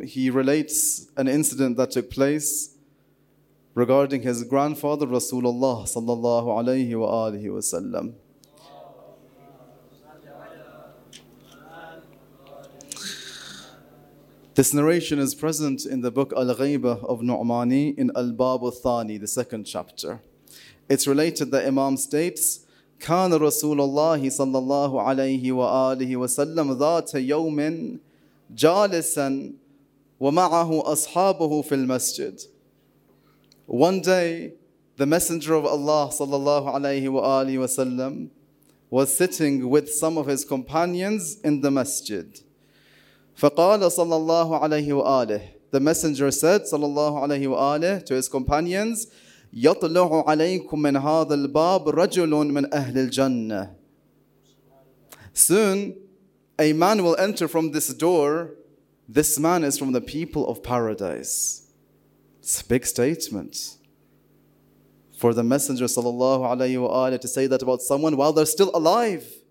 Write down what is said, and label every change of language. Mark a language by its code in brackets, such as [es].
[en] He relates an incident that took place regarding his grandfather Rasulullah sallallahu alayhi wa alihi wa sallam. This narration is present in the book Al-Ghaybah of Nu'mani in Al-Bab al-Thani, the second chapter. It's related that Imam states, [ar] كان رسول الله صلى الله عليه وآله وسلم ذات يوم جالسا ومعه أصحابه في المسجد. [en] One day, the Messenger of Allah [ar] صلى الله عليه وآله وسلم [en] was sitting with some of his companions in the masjid. [ar] فقال صلى الله عليه وآله, [en] the Messenger said [ar] صلى الله عليه وآله [en] to his companions, [ar] يطلع عليكم من هذا الباب رجل من أهل الجنة. [en] Soon, a man will enter from this door. This man is from the people of paradise. It's a big statement for the Messenger sallallahu alayhi wa alayhi to say that about someone while they're still alive.